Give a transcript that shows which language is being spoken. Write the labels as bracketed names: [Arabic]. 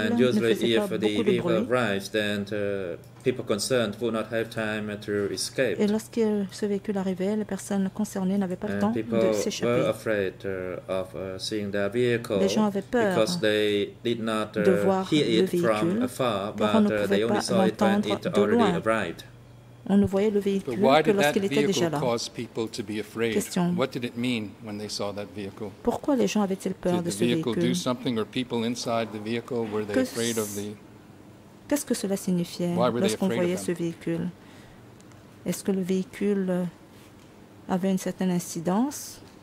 [English] and usually, if the vehicle arrives, then the people concerned would not have time to escape. [French] Et lorsque ce véhicule arrivait, les personnes concernées n'avaient pas le temps de s'échapper. [English] People were afraid of seeing their vehicle. [French] Les gens avaient peur [English] because they did not hear it from afar, but they only saw it when it already arrived. [French] On ne voyait le véhicule que lorsqu'il était déjà là. [English] But why did that vehicle cause people to be afraid? [French] Question. [English] What did it mean when they saw that vehicle? [French] Pourquoi les gens avaient-ils peur [English] did [French] de ce véhicule? [English] Did the vehicle do something, or people inside the vehicle, were they afraid of the... [French] Qu'est-ce que cela signifiait lorsqu'on voyait ce véhicule? Est-ce que le véhicule avait une certaine incidence?